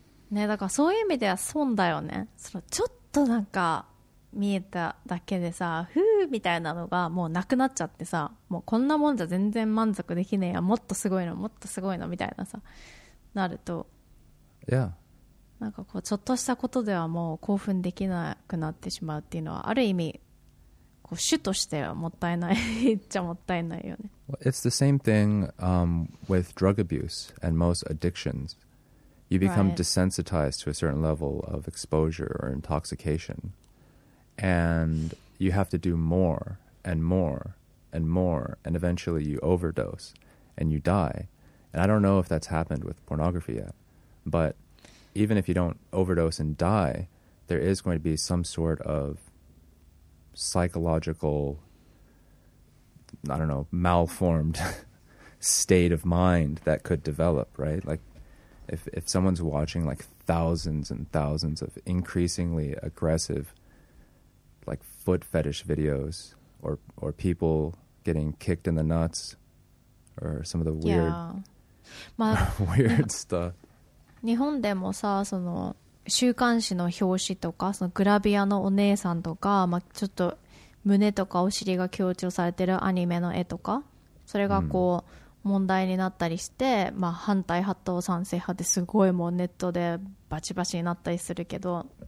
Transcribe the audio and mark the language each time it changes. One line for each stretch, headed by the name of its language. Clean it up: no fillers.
Japanese: ね、だからそういう意味では損だよね。そのちょっとなんか見えただけでさ、ふーみたいなのがもうなくなっちゃってさ、もうこんなもんじゃ全然満足できねえや、もっとすごいの、もっとすごいのみたいなさ、なると。
English: Yeah.
Japanese: なんかこうちょっとしたことではもう興奮できなくなってしまうっていうのはある意味主としてはもったいないっちゃもったいないよね。
English: Well, it's the same thing with drug abuse and most addictions. You become right. desensitized to a certain level of exposure or intoxication, and you have to do more and more and more, and eventually you overdose and you die. And I don't know if that's happened with pornography yet, but even if you don't overdose and die, there is going to be some sort of psychological, I don't know, malformed state of mind that could develop, right? Like if someone's watching like thousands and thousands of increasingly aggressive like foot fetish videos or people getting kicked in the nuts or some of the weird, weird stuff.
Japanese: 日本でもさ、その週刊誌の表紙とか、そのグラビアのお姉さんとか、まあ、ちょっと胸とかお尻が強調されてるアニメの絵とか、それがこう問題になったりして、まあ、反対派と賛成派ですごいもうネットでバチバチになったりするけど、